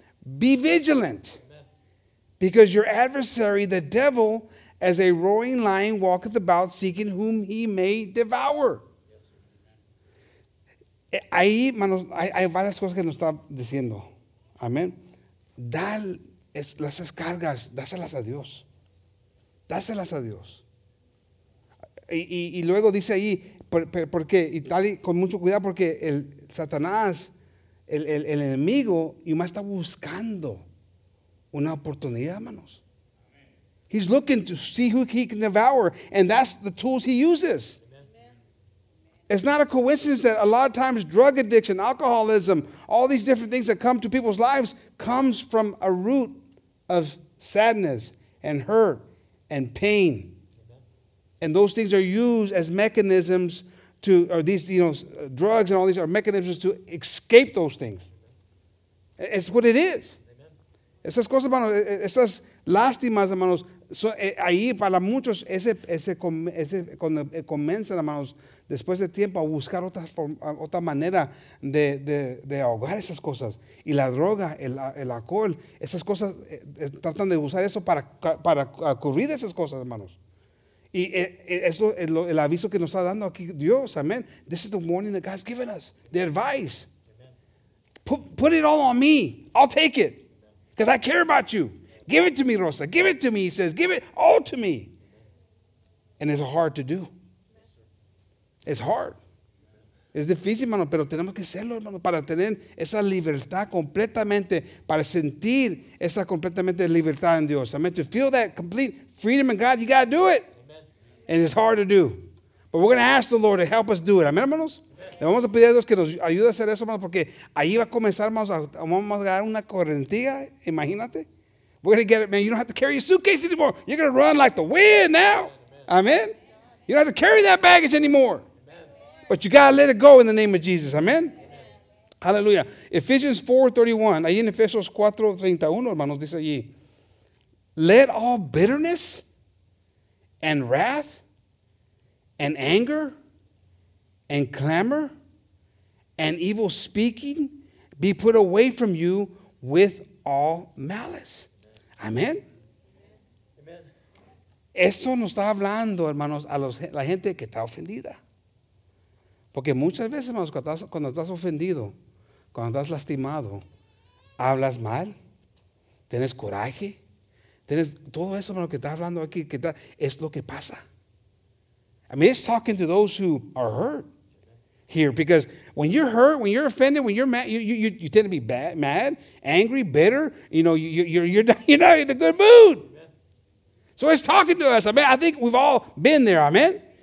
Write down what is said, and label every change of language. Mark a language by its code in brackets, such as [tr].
[en] Be vigilant, because your adversary, the devil, as a roaring lion, walketh about seeking whom he may devour. [es] Ahí, manos, hay varias cosas que nos está diciendo. Amén. Da las cargas, dáselas a Dios. Dáselas a Dios. Y luego dice ahí, porque, y tal, con mucho cuidado, porque el Satanás, el enemigo, y más está buscando una oportunidad, hermanos. [en] He's looking to see who he can devour, and that's the tools he uses. Amen. It's not a coincidence that a lot of times drug addiction, alcoholism, all these different things that come to people's lives comes from a root of sadness and hurt and pain. Amen. And those things are used as mechanisms drugs and all these are mechanisms to escape those things. It's what it is. Amen. [es] Esas cosas, hermanos, esas lástimas, hermanos, ahí para muchos, ese cuando comienzan, hermanos, después de tiempo a buscar otra manera de ahogar esas cosas. Y la droga, el alcohol, esas cosas, tratan de usar eso para cubrir esas cosas, hermanos. Y esto es el aviso que nos está dando aquí Dios, amén. [en] This is the warning that God's given us, the advice. Put it all on me. I'll take it because I care about you. Give it to me, Rosa. Give it to me, he says. Give it all to me. And it's hard to do. It's hard. [es] Es difícil, hermano, pero tenemos que hacerlo, hermano, para tener esa libertad completamente, para sentir esa completamente libertad en Dios, amén. [en] To feel that complete freedom in God, you got to do it. And it's hard to do. But we're going to ask the Lord to help us do it. [es] Amén, hermanos. Le vamos a pedir a Dios que nos ayude a hacer eso, hermanos, porque ahí va a comenzar, hermanos, vamos a dar una correntía, imagínate. [en] We're going to get it, man. You don't have to carry your suitcase anymore. You're going to run like the wind now. Amén. You don't have to carry that baggage anymore. But you got to let it go in the name of Jesus. Amén. Hallelujah. Ephesians 4:31. [es] Ahí en Efesios 4:31, hermanos, dice allí. [en] Let all bitterness and wrath, and anger, and clamor, and evil speaking be put away from you with all malice. Amen. Amen. [es] Eso nos está hablando, hermanos, a la gente que está ofendida. Porque muchas veces, hermanos, cuando estás ofendido, cuando estás lastimado, hablas mal, tienes coraje. Tienes todo eso, hermano, que está hablando aquí, que está, es lo que pasa. [en] I mean, it's talking to those who are hurt here, because when you're hurt, when you're offended, when you're mad, you tend to be bad, mad, angry, bitter. You know, you're not in a good mood. So it's talking to us. I mean, I think we've all been there. Amen.